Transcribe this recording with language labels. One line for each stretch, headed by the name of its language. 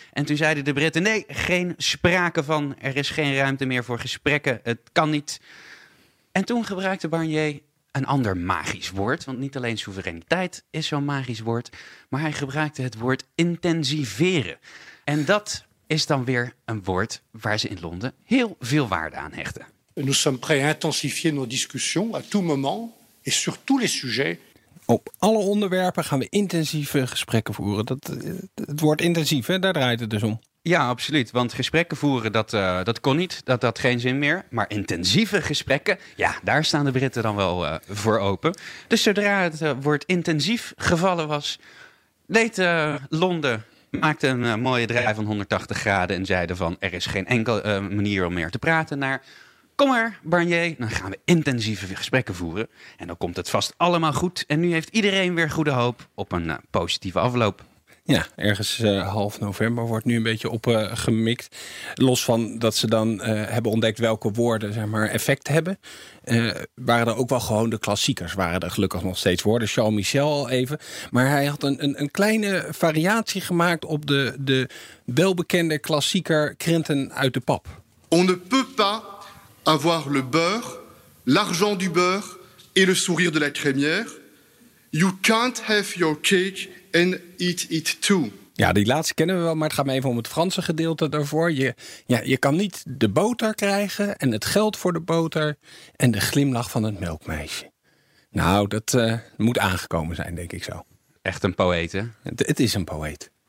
Dutch: En toen zeiden de Britten, nee, geen sprake van. Er is geen ruimte meer voor gesprekken. Het kan niet. En toen gebruikte Barnier een ander magisch woord. Want niet alleen soevereiniteit is zo'n magisch woord. Maar hij gebruikte het woord intensiveren. En dat is dan weer een woord waar ze in Londen heel veel waarde aan hechten.
French: Nous sommes prêts à intensifier nos discussions à tout moment et sur tous les sujets.
Dutch: Op alle onderwerpen gaan we intensieve gesprekken voeren. Het woord intensief, hè? Daar draait het dus om. Ja, absoluut. Want gesprekken voeren, dat kon niet. Dat had geen zin meer. Maar intensieve gesprekken, ja, daar staan de Britten dan wel voor open. Dus zodra het woord intensief gevallen was, deed Londen, maakte een mooie draai van 180 graden en zeiden van, er is geen enkele manier om meer te praten naar, kom maar, Barnier, dan gaan we intensieve gesprekken voeren. En dan komt het vast allemaal goed. En nu heeft iedereen weer goede hoop op een positieve afloop. Ja, ergens half november wordt nu een beetje opgemikt. Los van dat ze dan hebben ontdekt welke woorden, zeg maar, effect hebben. Waren er ook wel gewoon de klassiekers, waren er gelukkig nog steeds woorden. Jean-Michel al even. Maar hij had een kleine variatie gemaakt op de welbekende klassieker krenten uit de pap.
French: On ne peut pas avoir le beurre, l'argent du beurre et le sourire de la crémière.
English: You can't have your cake and eat it too.
Dutch: Ja, die laatste kennen we wel, maar het gaat me even om het Franse gedeelte daarvoor. Je kan niet de boter krijgen en het geld voor de boter en de glimlach van het melkmeisje. Nou, dat moet aangekomen zijn, denk ik zo. Echt een poëet, hè? Het is een poëet.